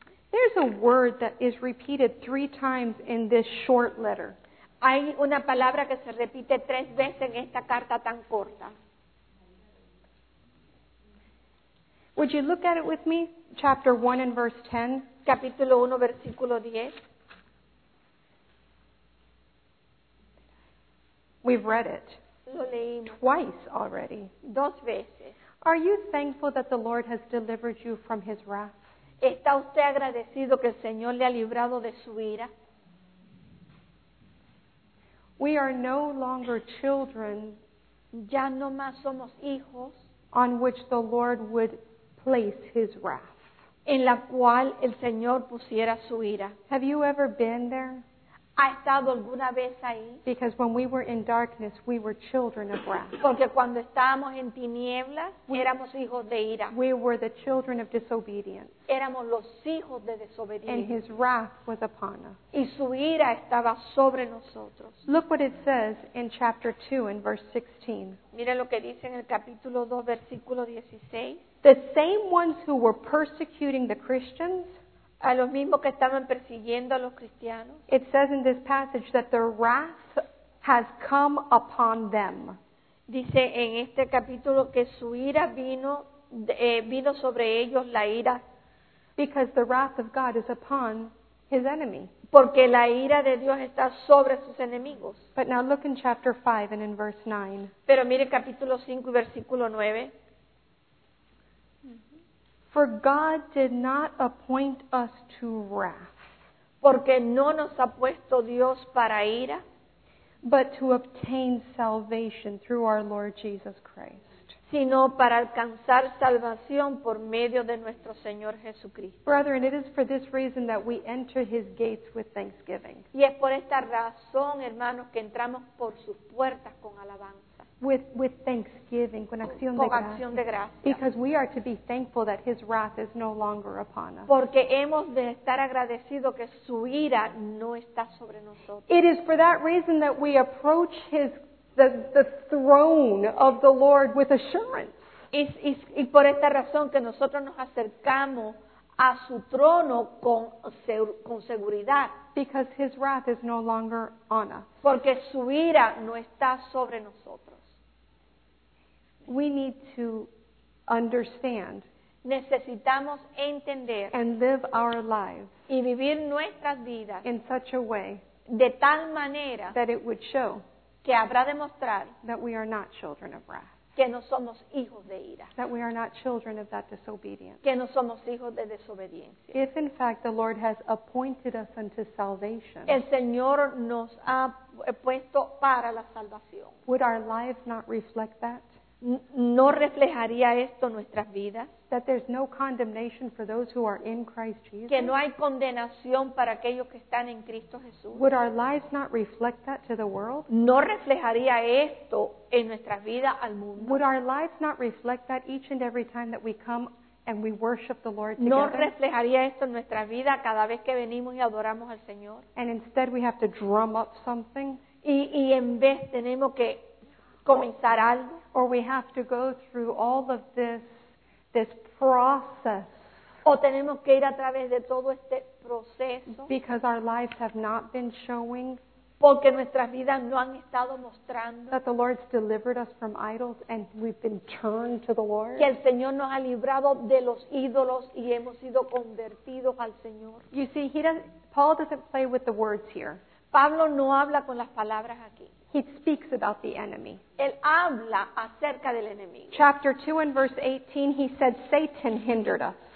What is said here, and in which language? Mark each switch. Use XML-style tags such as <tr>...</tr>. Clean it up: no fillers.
<en>There's a word that is repeated 3 times in this short letter.</en> <es>Hay una palabra que se repite 3 veces en esta carta tan corta.</es> <en>Would you look at it with me? Chapter 1 and verse 10.</en> <es>Capítulo 1, versículo 10.</es> <en>We've read it.</en> <es>Lo leímos.</es> <en>Twice already.</en> <es>2 veces.</es> <en>Are you thankful that the Lord has delivered you from His wrath?</en> <es>¿Está usted agradecido que el Señor le ha librado de su ira?</es> <en>We are no longer children.</en> <es>Ya no más somos hijos.</es> <en>On which the Lord would place His wrath.</en> <es>En la cual el Señor pusiera su ira.</es> <en>Have you ever been there?</en> <es>¿Ha estado alguna vez ahí?</es> <en>Because when we were in darkness, we were children of wrath.</en> <es>Porque cuando estábamos en tinieblas, éramos hijos de ira.</es> <en>We were the children of disobedience.</en> <es>Éramos los hijos de desobediencia.</es> <en>And His wrath was upon us.</en> <es>Y su ira estaba sobre nosotros.</es> <en>Look what it says in chapter 2 and verse 16.</en> <es>Mira lo que dice en el capítulo 2, versículo 16.</es> <en>The same ones who were persecuting the Christians,</en> <es>a los mismos que estaban persiguiendo a los cristianos.</es> <en>It says in this passage that their wrath has come upon them.</en> <es>Dice en este capítulo que su ira vino sobre ellos, la ira.</es> <en>Because the wrath of God is upon His enemy.</en> <es>Porque la ira de Dios está sobre sus enemigos.</es> <en>But now look in chapter 5 and in verse 9.</en> <es>Pero mire capítulo 5 y versículo 9.</es> <en>For God did not appoint us to wrath.</en> <es>Porque no nos ha puesto Dios para ira.</es> <en>But to obtain salvation through our Lord Jesus Christ.</en> <es>Sino para alcanzar salvación por medio de nuestro Señor Jesucristo.</es> <en>Brethren, it is for this reason that we enter His gates with thanksgiving.</en> <es>Y es por esta razón, hermanos, que entramos por sus puertas con alabanza.</es> <en>With thanksgiving,</en> <es>con acción de gracia.</es> <en>Because we are to be thankful that His wrath is no longer upon us.</en> <es>Porque hemos de estar agradecido que su ira no está sobre nosotros.</es> <en>It is for that reason that we approach the throne of the Lord with assurance.</en> <es>Y por esta razón que nosotros nos acercamos a su trono con seguridad.</es> <en>Because His wrath is no longer on us.</en> <es>Porque su ira no está sobre nosotros.</es> <en>We need to understand.</en> <es>Necesitamos entender.</es> <en>And live our lives.</en> <es>Y vivir nuestras vidas.</es> <en>In such a way.</en> <es>De tal manera.</es> <en>That it would show.</en> <es>Que habrá demostrar.</es> <en>That we are not children of wrath.</en> <es>Que no somos hijos de ira.</es> <en>That we are not children of that disobedience.</en> <es>Que no somos hijos de desobediencia.</es> <en>If in fact the Lord has appointed us unto salvation.</en> <es>El Señor nos ha puesto para la salvación.</es> <en>Would our lives not reflect that?</en> <es>¿No reflejaría esto nuestras vidas?</es> <en>That there's no condemnation for those who are in Christ Jesus.</en> <es>Que no hay condenación para aquellos que están en Cristo Jesús.</es> <en>Would our lives not reflect that to the world?</en> <es>¿No reflejaría esto en nuestras vidas al mundo?</es> <en>Would our lives not reflect that each and every time that we come and we worship the Lord</en> <es>¿No</es> <en>together?</en> <es>¿No reflejaría esto en nuestra vida cada vez que venimos y adoramos al Señor?</es> <en>And instead we have to drum up something.</en> <es>Y en vez tenemos que comenzar algo.</es> <en>Or we have to go through all of this process.</en> <es>O tenemos que ir a través de todo este proceso.</es> <en>Because our lives have not been showing.</en> <es>porque nuestras vidas no han estado mostrando</es> <en>that the Lord's delivered us from idols and we've been turned to the Lord.</en> <es>Que el Señor nos ha librado de los ídolos y hemos sido convertidos al Señor.</es> <en>You see, Paul doesn't play with the words here.</en> <es>Pablo no habla con las palabras aquí.</es> <en>He speaks about the enemy.</en> <es>Él habla acerca del enemigo.</es> <en>Chapter 2 and verse 18, he said, Satan hindered us.</en>